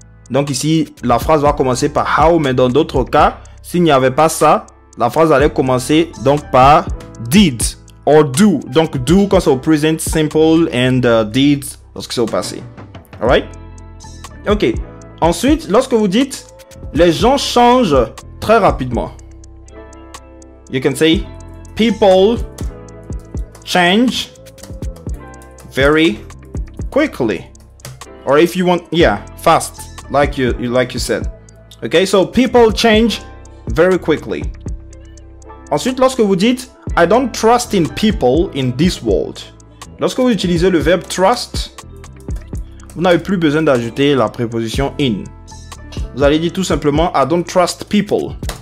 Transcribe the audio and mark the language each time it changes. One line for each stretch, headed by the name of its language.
French: Donc ici, la phrase va commencer par how, mais dans d'autres cas, s'il n'y avait pas ça, la phrase allait commencer donc par
English: did or do.
French: Donc do quand c'est au present simple
English: and did
French: lorsque c'est au passé.
English: Alright?
French: Ok. Ensuite, lorsque vous dites, les gens changent très rapidement.
English: You can say, people change very quickly, or if you want, yeah, fast, like you said. Okay, so people change very quickly.
French: Ensuite, lorsque vous dites
English: I don't trust in people in this world,
French: lorsque vous utilisez le verbe trust, vous n'avez plus besoin d'ajouter la préposition in. Vous allez dire tout simplement
English: I don't trust people.